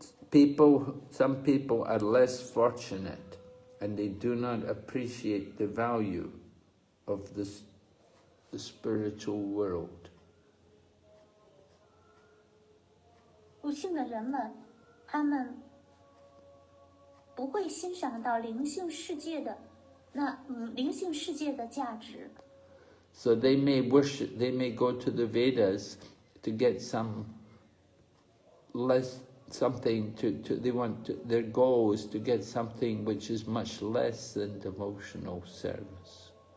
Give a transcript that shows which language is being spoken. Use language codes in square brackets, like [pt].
[en] Some people are less fortunate, and they do not appreciate the value of the spiritual world. [zh] 不幸的人们，他们不会欣赏到灵性世界的价值。 [en] So they may wish, they may go to the Vedas to get their goal is to get something which is much less than devotional service.